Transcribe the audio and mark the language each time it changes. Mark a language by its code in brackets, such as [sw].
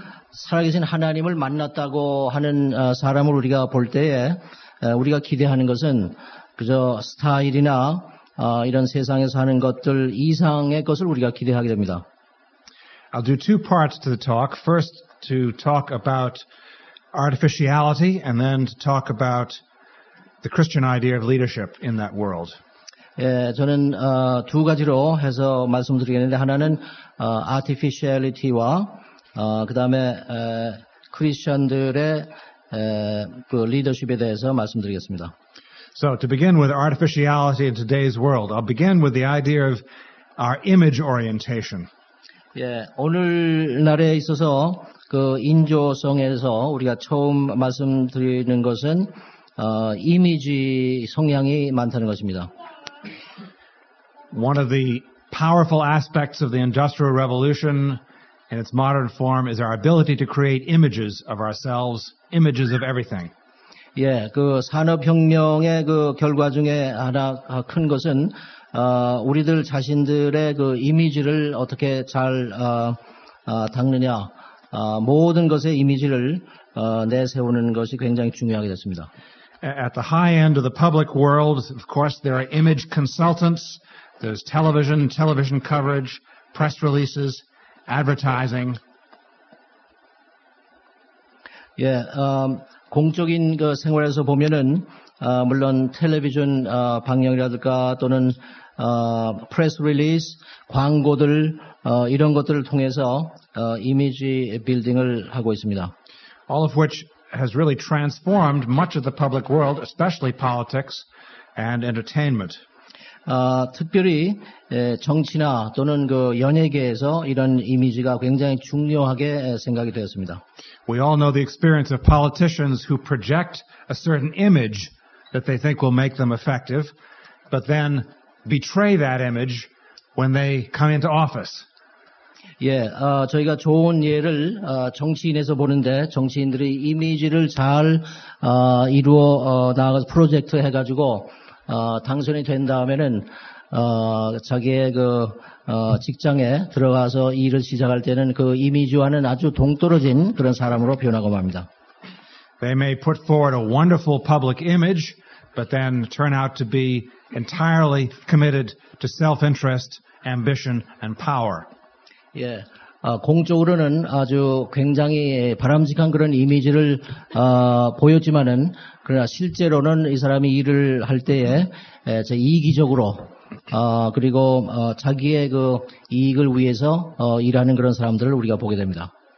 [ko] 살아계신 하나님을 만났다고 하는 사람을 우리가 볼 때에 우리가 기대하는 것은 그저 스타일이나 이런 세상에서 하는 것들 이상의 것을 우리가 기대하게 됩니다. [en] I'll do two parts to the talk. First, to talk about artificiality and then to talk about the Christian idea of leadership in that world. [ko] 예, 저는 두 가지로 해서 말씀드리겠는데 하나는 artificiality와 그다음에 크리스천들의 그 리더십에 대해서 말씀드리겠습니다. [en] So to begin with artificiality in today's world, I'll begin with the idea of our image orientation. [ko] 예, 오늘날에 있어서 그 인조성에서 우리가 처음 말씀드리는 것은 이미지 성향이 많다는 것입니다. [en] One of the powerful aspects of the Industrial Revolution in its modern form is our ability to create images of ourselves, images of everything. [ko] 예, 그 산업혁명의 그 결과 중에 하나 큰 것은 우리들 자신들의 그 이미지를 어떻게 잘 닦느냐, 모든 것의 이미지를 내세우는 것이 굉장히 중요하게 됐습니다. [en] At the high end of the public world, of course, there are image consultants. There's television, television coverage, press releases, advertising. [ko] 예, 공적인 그 생활에서 보면은 물론 텔레비전 방영이라든가 또는 press release, 광고들 이런 것들을 통해서 이미지 빌딩을 하고 있습니다. All of which has really transformed much of the public world, especially politics and entertainment. 특별히 정치나 또는 그 연예계에서 이런 이미지가 굉장히 중요하게 생각이 되었습니다. [en] We all know the experience of politicians who project a certain image that they think will make them effective, but then betray that image when they come into office. [ko] 예, 저희가 좋은 예를 정치인에서 보는데 정치인들이 이미지를 잘 이루어 나아가서 프로젝트 해가지고 당선이 된 다음에는 자기의 그 직장에 들어가서 일을 시작할 때는 그 이미지와는 아주 동떨어진 그런 사람으로 변하고 맙니다. [en] They may put forward a wonderful public image, but then turn out to be entirely committed to self-interest, ambition, and power. [ko] 예, 공적으로는 아주 굉장히 바람직한 그런 이미지를 보였지만은 그러나 실제로는 이 사람이 일을 할 때에 제 이기적으로 그리고 자기의 그 이익을 위해서 일하는 그런 사람들을 우리가 보게 됩니다.